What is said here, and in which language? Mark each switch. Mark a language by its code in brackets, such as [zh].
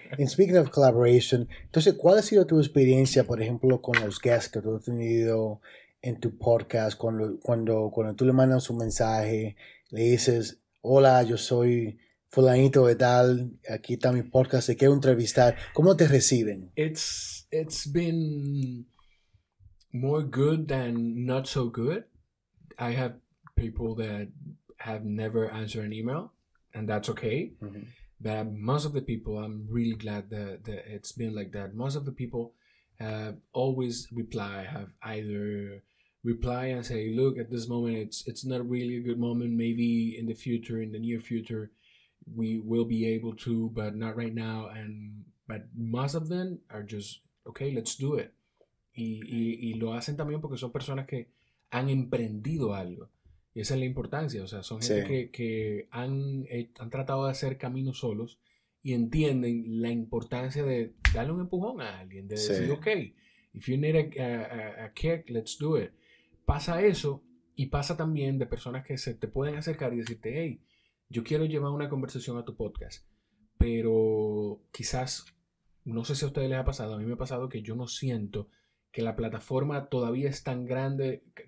[en] And speaking of collaboration, [es] entonces, ¿cuál ha sido tu experiencia, por ejemplo, con los guests que tú has tenido en tu podcast, cuando tú le mandas un mensaje, le dices, hola, yo soy fulanito de tal, aquí está mi podcast, te quiero entrevistar, ¿cómo te reciben? [en] It's been more good than not so good. I have people that have never answered an email, and that's okay. But most of the people, I'm really glad that it's been like that. Most of the people have always reply, have either reply and say, look, at this moment, it's not really a good moment. Maybe in the future, in the near future, we will be able to, but not right now. But most of them are just, okay, let's do it. [es] Y lo hacen también porque son personas que han emprendido algo. Y esa es la importancia. O sea, son Sí. gente que han tratado de hacer camino solos y entienden la importancia de darle un empujón a alguien, de Sí. [en] decir, ok, if you need a kick, let's do it. [es] Pasa eso y pasa también de personas que se te pueden acercar y decirte, hey, yo quiero llevar una conversación a tu podcast, pero quizás, no sé si a ustedes les ha pasado, a mí me ha pasado que yo no siento que la plataforma todavía es tan grande.